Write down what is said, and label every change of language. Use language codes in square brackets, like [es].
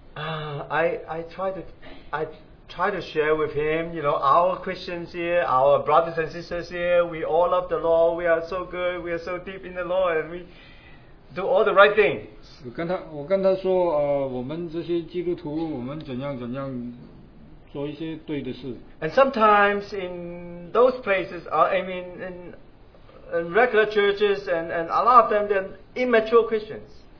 [en] I try to share with him, you know, our Christians here, our brothers and sisters here, we all love the Lord, we are so good, we are so deep in the Lord, and we do all the right things. [zh] 我跟他说, 我们这些基督徒, 我们怎样怎样做一些对的事。 [en] And sometimes in those places, in regular churches and a lot of them, they're immature Christians.